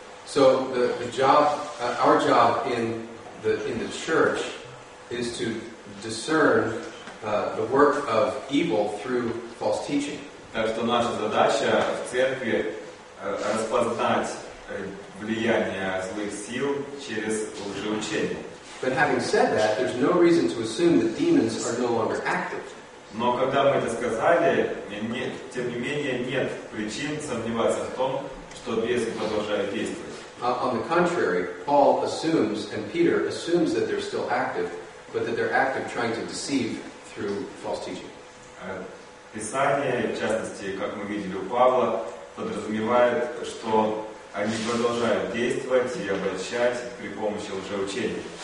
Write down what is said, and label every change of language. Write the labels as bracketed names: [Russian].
[English] So our job in the church is to discern the work of evil through false teaching. [Russian] Так что наша задача в церкви распознать влияние злых сил через лжеучение. [English] But having said that, there's no reason to assume that demons are no longer active. [Russian] Но когда мы это сказали, нет, тем не менее, нет причин сомневаться в том, что бесы продолжают действовать. [English] On the contrary, Paul assumes, and Peter assumes that they're still active, but that they're active trying to deceive through false teaching. [Russian] Писание, в частности, как мы видели у Павла, подразумевает, что они продолжают действовать и обольщать при помощи лжеучения.